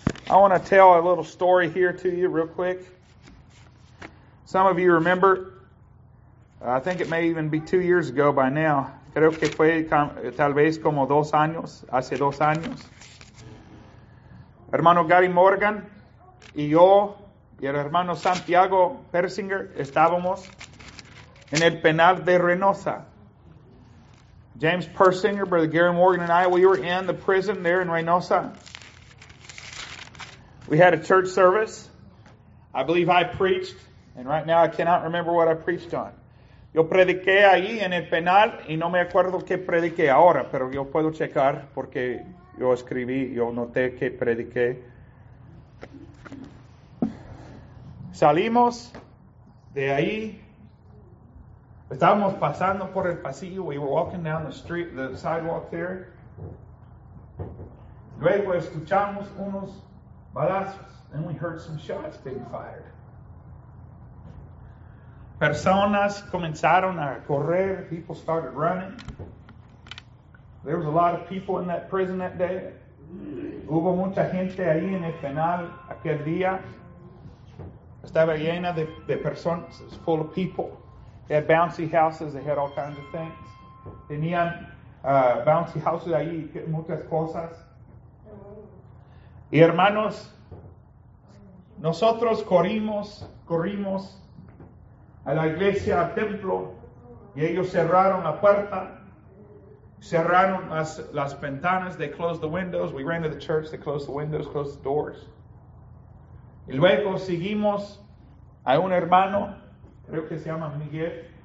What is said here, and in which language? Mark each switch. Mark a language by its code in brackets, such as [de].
[en] I want to tell a little story here to you real quick. Some of you remember, I think it may even be 2 years ago by now. [es] Creo que fue tal vez como dos años, hace dos años. Hermano Gary Morgan y yo, y el hermano Santiago Persinger, estábamos en el penal de Reynosa. [en] James Persinger, Brother Gary Morgan and I, we were in the prison there in Reynosa. We had a church service. I believe I preached, and right now I cannot remember what I preached on. [es] Yo prediqué ahí en el penal, y no me acuerdo qué prediqué ahora, pero yo puedo checar porque yo escribí, yo noté qué prediqué. Salimos de ahí Estábamos pasando por el pasillo. [en] We were walking down the street, the sidewalk there. [es] Luego escuchamos unos balazos. [en] And we heard some shots being fired. [es] Personas comenzaron a correr. [en] People started running. There was a lot of people in that prison that day. [es] Hubo mucha gente ahí en el penal aquel día. Estaba llena de personas. [en] It was full of people. They had bouncy houses. They had all kinds of things. [es] Tenían bouncy houses ahí, muchas cosas. Y hermanos, nosotros corrimos a la iglesia, al templo, y ellos cerraron la puerta, cerraron las ventanas. [en] They closed the windows. We ran to the church. They closed the windows, closed the doors. [es] Y luego seguimos a un hermano, creo que se llama Miguel.